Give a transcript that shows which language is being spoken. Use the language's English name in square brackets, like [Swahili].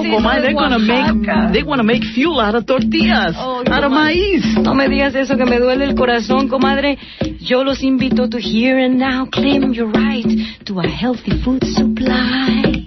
[English] But you know, comadre, they want to make fuel out of tortillas, out of maíz. [Spanish] No me digas eso que me duele el corazón, comadre. Yo los invito [English] to here and now claim your right to a healthy food supply.